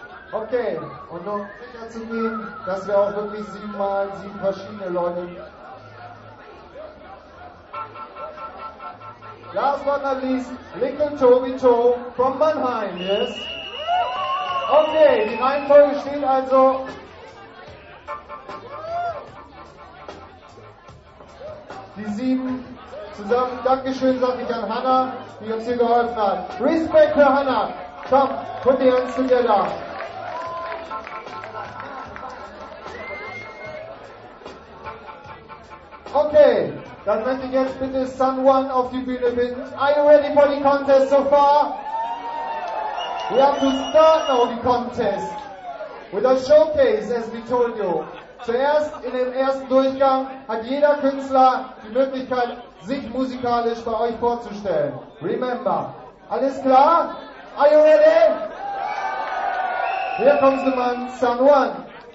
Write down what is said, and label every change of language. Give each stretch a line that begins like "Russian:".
German: Okay, und noch sicher zu gehen, dass wir auch wirklich sieben verschiedene Leute.
English: Last but not least, Lincoln Toby Toe from Mannheim, yes?
German: Okay, die Reihenfolge steht also. Die sieben zusammen. Dankeschön, sag ich an Hannah, die uns hier geholfen hat. Respekt für Hannah.
English: Komm, put the hands together.
German: Okay. Dann möchte ich jetzt bitte Sun One auf die Bühne bitten.
English: Are you ready for the contest so far? We have to start now the contest with a showcase, as we told you.
German: Zuerst in dem ersten Durchgang hat jeder Künstler die Möglichkeit, sich musikalisch bei euch vorzustellen.
English: Remember.
German: Alles klar?
English: Are you ready?
German: Hier kommt der Mann, Sun One.